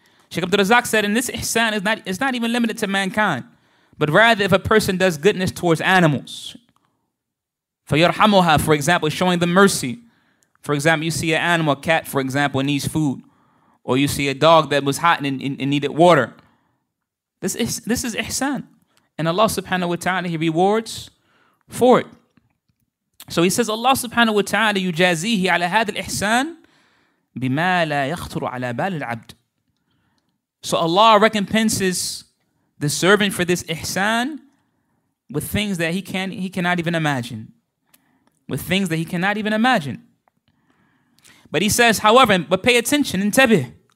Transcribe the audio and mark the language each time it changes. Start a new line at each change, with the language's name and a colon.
English: Sheikh Abdul Razak said, and this ihsan is not even limited to mankind, but rather if a person does goodness towards animals, فَيَرْحَمُهَا, for example, showing them mercy. For example, you see an animal, a cat, for example, needs food. Or you see a dog that was hot and needed water. This is ihsan. And Allah subhanahu wa ta'ala, he rewards for it. So he says, Allah subhanahu wa ta'ala,
Arabic: يُجَازِيهِ عَلَى هَذَا الْإِحْسَانِ بِمَا لَا يَخْطُرُ عَلَى بَالِ الْعَبْدِ.
English: So Allah recompenses the servant for this ihsan with things that he cannot even imagine. With things that he cannot even imagine. But he says, however, but pay attention, انتبه.